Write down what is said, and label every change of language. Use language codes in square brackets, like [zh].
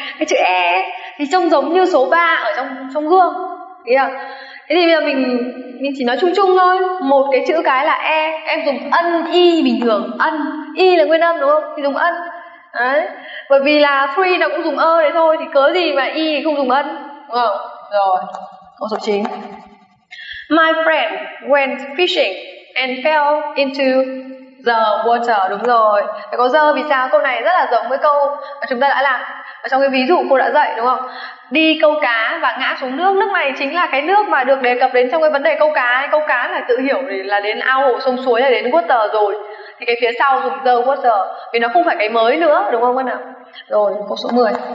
[vi] Cái chữ E thì trông giống như số 3 ở trong gương. Thấy không? Thế thì bây giờ mình chỉ nói chung chung thôi. Một cái chữ cái là E, em dùng ân Y bình thường. Ân Y là nguyên âm đúng không? Thì dùng ân. Đấy. Bởi vì là 3 nó cũng dùng ơ đấy thôi, thì cớ gì mà Y không dùng ân, đúng không? Rồi, câu số 9. [en] My friend went fishing and fell into the water. [vi] Đúng rồi, phải có the. Vì sao câu này rất là giống với câu mà chúng ta đã làm ở trong cái ví dụ cô đã dạy, đúng không? Đi câu cá và ngã xuống nước. Nước này chính là cái nước mà được đề cập đến trong cái vấn đề câu cá. Câu cá là tự hiểu là đến ao hồ sông suối, là đến water rồi. Thì cái phía sau dùng the water vì nó không phải cái mới nữa, đúng không các nào? Rồi, câu số 10.